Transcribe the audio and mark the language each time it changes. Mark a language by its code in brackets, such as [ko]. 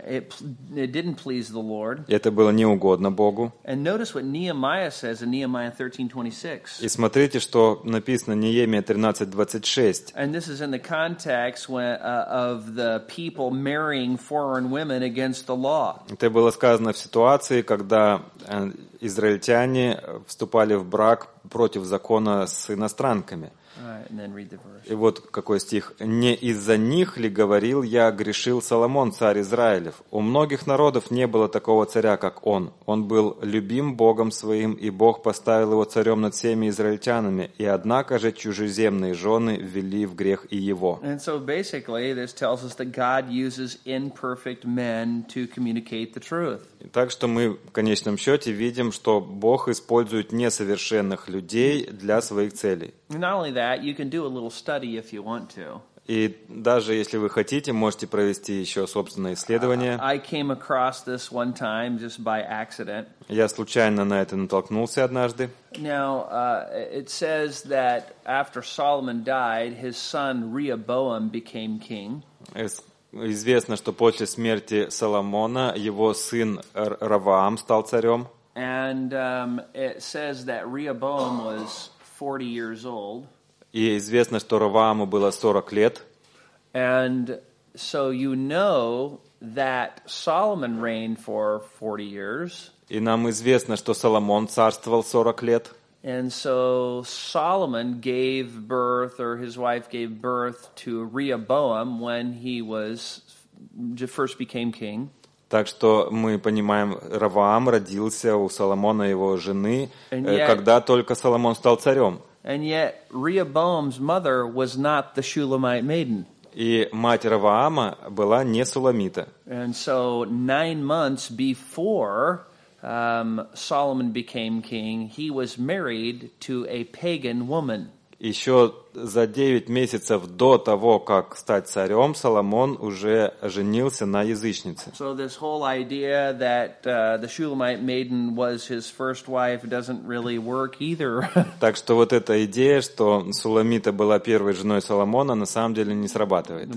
[en] It didn't please the Lord. [ru] Это было не угодно Богу. [en] And notice what Nehemiah says in Nehemiah 13:26. [ru] И смотрите, что написано Неемия 13:26. [en] And this is in the context when of the people marrying foreign women against the law. [ru] Это было сказано в ситуации, когда израильтяне вступали в брак против закона с иностранками. И вот какой стих. «Не из-за них ли говорил я, грешил Соломон, царь Израилев? У многих народов не было такого царя, как он. Он был любим Богом своим, и Бог поставил его царем над всеми израильтянами. И однако же чужеземные жены ввели в грех и его». [en] And so basically, this tells us that God uses imperfect men to communicate the truth. [ru] Так что мы в конечном счете видим, что Бог использует несовершенных людей для своих целей. [en] Not only that, you can do a little study if you want to. [ru] И даже если вы хотите, можете провести еще собственное исследование. [en] I came across this one time just by accident. [ru] Я случайно на это натолкнулся однажды. [en] Now, it says that after Solomon died, his son Rehoboam became king. [ru] Известно, что после смерти Соломона его сын Равоам стал царем. [en] And it says that Rehoboam was 40 years old. [ru] И известно, что Равааму было 40 лет. [en] And so you know that Solomon reigned for 40 years. [ru] И нам известно, что Соломон царствовал 40 лет. [en] And so Solomon gave birth, or his wife gave birth to Rehoboam when he was first became king. [ru] Так что мы понимаем, Равоам родился у Соломона и его жены, когда только Соломон стал царем. [en] And yet Rehoboam's mother was not the Shulamite maiden. [ru] И мать Равоама была не Суламита. [en] And so 9 months before Solomon became king, he was married to a pagan woman. [ru] Еще за 9 месяцев до того, как стать царем, Соломон уже женился на язычнице. [en] So this whole idea that the Shulamite maiden was his first wife doesn't really work either. [ru] Так что вот эта идея, что Суламита была первой женой Соломона, на самом деле не срабатывает.